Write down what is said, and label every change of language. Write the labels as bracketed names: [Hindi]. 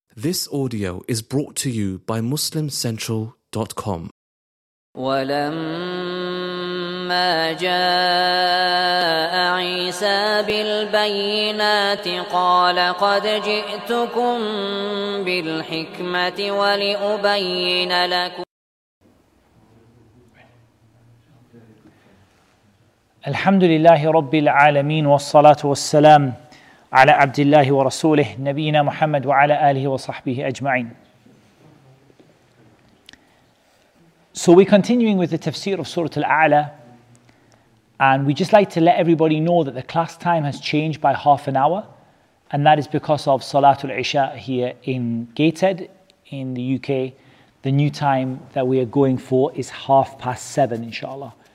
[English] This audio is brought to you by MuslimCentral.com. [Arabic] ولما جاء عيسى بالبينات قال قد جئتكم بالحكمة ولأبين لكم الحمد لله رب العالمين والصلاة والسلام على عبد الله ورسوله نبينا محمد وعلى آله وصحبه أجمعين. [English] So we're continuing with the tafsir of Surah Al-A'la, and we just like to let everybody know that the class time has changed by half an hour, and that is because of Salatul Isha here in Gateshead in the UK. The new time that we are going for is 7:30, inshallah.